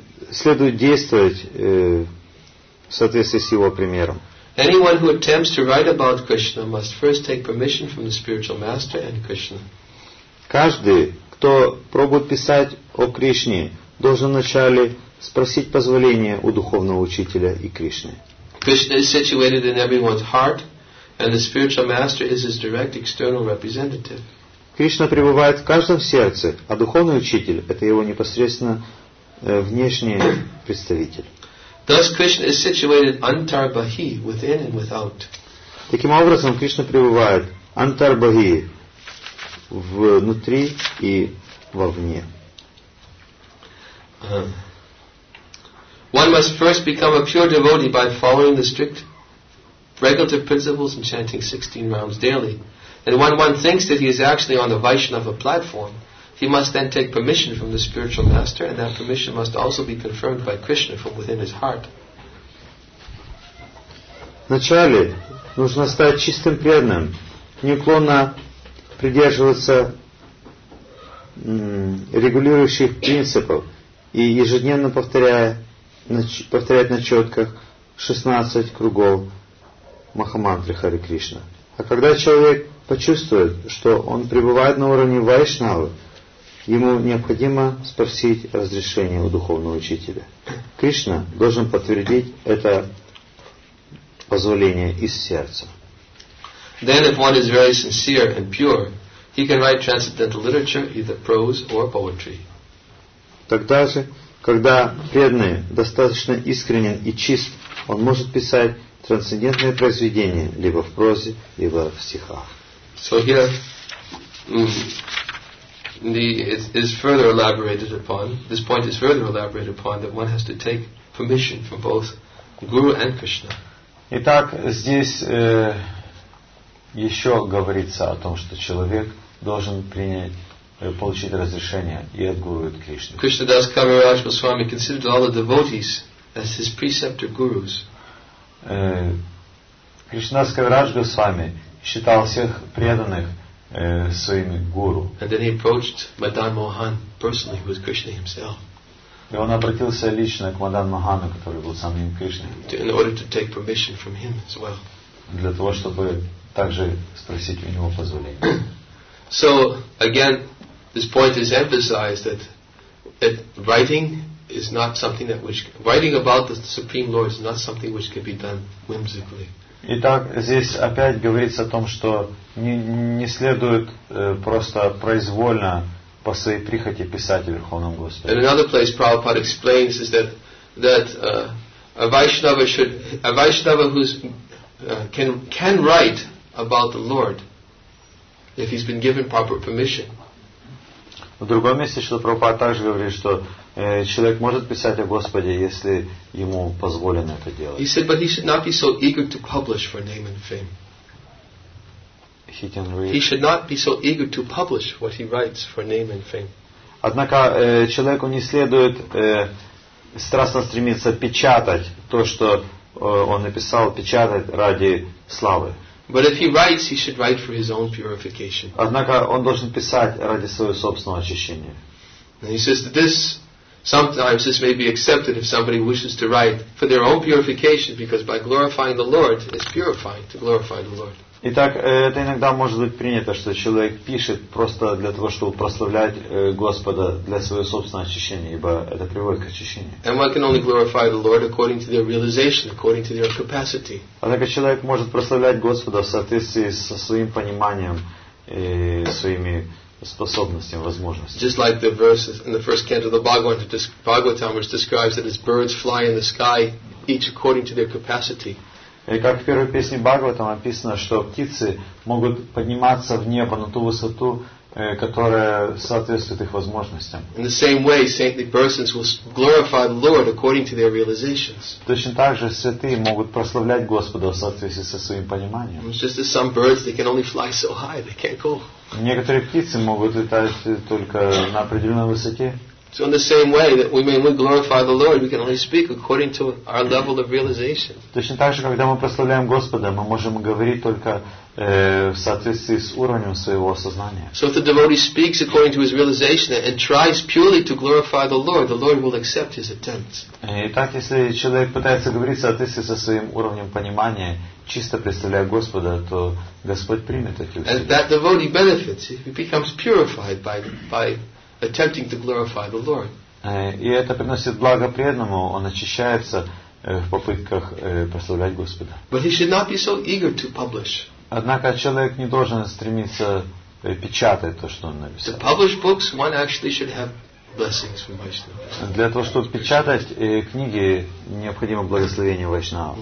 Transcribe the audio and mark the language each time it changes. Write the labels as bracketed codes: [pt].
[ru] Следует действовать в соответствии с его примером. [en] Anyone who attempts to write about Krishna must first take permission from the spiritual master and Krishna. [ru] Каждый, кто пробует писать о Кришне, должен вначале спросить позволение у духовного учителя и Кришны. [en] Krishna is situated in everyone's heart, and the spiritual master is his direct external representative. [ru] Кришна пребывает в каждом сердце, а духовный учитель — это его непосредственно внешний представитель. [en] Thus, Krishna is situated antar bahi, within and without. [ru] Таким образом, Кришна пребывает антар бахи, внутри и вовне. [en] One must first become a pure devotee by following the strict regulative principles and chanting 16 rounds daily. And when one thinks that he is actually on the Vaishnava platform, he must then take permission from the spiritual master, and that permission must also be confirmed by Krishna from within his heart. [ru] Вначале нужно стать чистым преданным, неуклонно придерживаться регулирующих принципов и ежедневно повторять на четках 16 кругов Махамантры Хари Кришна. А когда человек почувствует, что он пребывает на уровне Вайшнавы, ему необходимо спросить разрешение у духовного учителя. Кришна должен подтвердить это позволение из сердца. [en] Then if one is very sincere and pure, he can write transcendental literature, either prose or poetry. [ru] Тогда же, когда преданный достаточно искренен и чист, он может писать трансцендентное произведение либо в прозе, либо в стихах. [en] So here is further elaborated upon. This point is further elaborated upon that one has to take permission from both Guru and Krishna. [ru] Итак, здесь еще говорится о том, что человек должен принять, получить разрешение и от Гуру, от Кришны. [en] Krishna Das Kaviraj Goswami considered all the devotees as his preceptor gurus. [ru] Кришна Дас Кавираж Госвами считал всех преданных своими гуру. [en] And then he approached Madan Mohan personally, who was Krishna himself. [ru] И он обратился лично к Мадан Мохану, который был самим Кришной. [en] In order to take permission from him as well. [ru] Для того, чтобы также спросить у него позволения. [en] So again, this point is emphasized that writing is not something that which writing about the Supreme Lord is not something which can be done whimsically. [ru] Итак, здесь опять говорится о том, что не следует просто произвольно по своей прихоти писать о Верховном Господе. [en] In another place, Prabhupada explains is that a Vaishnava who can write about the Lord if he's been given proper permission. [ru] В другом месте Шрила Прабхупада также говорит, что человек может писать о Господе, если ему позволено это делать. [en] He said, but he should not be so eager to publish for name and fame. He can read. He should not be so eager to publish what he writes for name and fame. [ru] Однако человеку не следует страстно стремиться печатать то, что он написал, печатать ради славы. [en] But if he writes, he should write for his own purification. [ru] Однако он должен писать ради своего собственного очищения. [en] And he says that this sometimes this may be accepted if somebody wishes to write for their own purification, because by glorifying the Lord, it's purifying to glorify the Lord. [ru] Итак, это иногда может быть принято, что человек пишет просто для того, чтобы прославлять Господа для своего собственного очищения, ибо это приводит к очищению. [en] And one can only glorify the Lord according to their realization, according to their capacity. [ru] Однако человек может прославлять Господа в соответствии со своим пониманием и своими способностями, возможностями. [en] Just like the verse in the first canto of the Bhagavatam, which describes that as birds fly in the sky, each according to their capacity. [ru] И как в первой песне Бхагаватам описано, что птицы могут подниматься в небо на ту высоту, которая соответствует их возможностям. [en] In the same way, saintly persons will glorify the Lord according to their realizations. [ru] Точно так же святые могут прославлять Господа в соответствии со своим пониманием. [en] It's just that some birds, they can only fly so high, they can't go. [ru] Некоторые птицы могут летать только на определенной высоте. [en] So in the same way that we may glorify the Lord, we can only speak according to our level of realization. [ru] Точно так же, когда мы прославляем Господа, мы можем говорить только в соответствии с уровнем своего сознания. [en] So if the devotee speaks according to his realization and tries purely to glorify the Lord will accept his attempt. [ru] Итак, если человек пытается говорить в соответствии со своим уровнем понимания, чисто представляя Господа, то Господь примет эти усилия. [en] And that devotee benefits; he becomes purified by attempting to glorify the Lord. [ru] И это приносит благо преданному, он очищается в попытках прославлять Господа. [en] But he should not be so eager to publish. [ru] Однако человек не должен стремиться печатать то, что он написал. [en] To publish books, one actually should have blessings from Vaishnava. [ru] Для того, чтобы печатать книги, необходимо благословение Вайшнава.